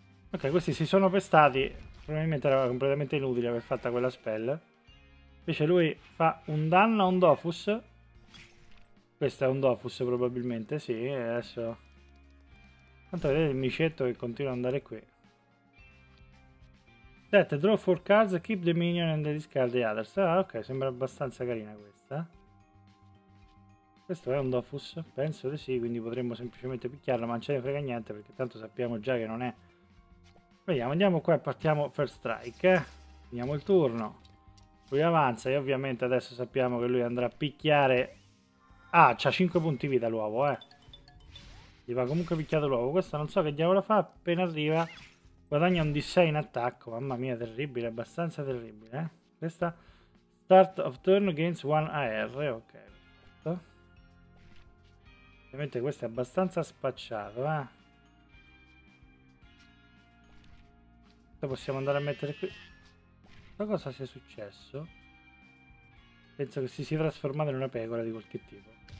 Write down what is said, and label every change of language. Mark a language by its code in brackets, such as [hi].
[it] Ok, questi si sono pestati, probabilmente era completamente inutile aver fatto quella spell. Invece lui fa un danno a un Dofus. Questo è un Dofus probabilmente, sì, adesso... Tanto vedete il micetto che continua ad andare qui. [en] Set, draw 4 cards, keep the minion and discard the others. [it] Ah, ok, sembra abbastanza carina questa. Questo è un Dofus? Penso di sì, quindi potremmo semplicemente picchiarlo, ma non ce ne frega niente perché tanto sappiamo già che non è. Vediamo, andiamo qua e partiamo first strike. Finiamo il turno. Lui avanza e ovviamente adesso sappiamo che lui andrà a picchiare. Ah, c'ha 5 punti vita l'uovo, Gli va comunque picchiato l'uovo. Questa non so che diavolo fa, appena arriva guadagna un D6 in attacco. Mamma mia, terribile, abbastanza terribile. Questa [en] start of turn gains 1 AR. [it] Ok, perfetto. Ovviamente questo è abbastanza spacciato, Questo possiamo andare a mettere qui. Ma cosa sia successo? Penso che si sia trasformato in una pecora di qualche tipo.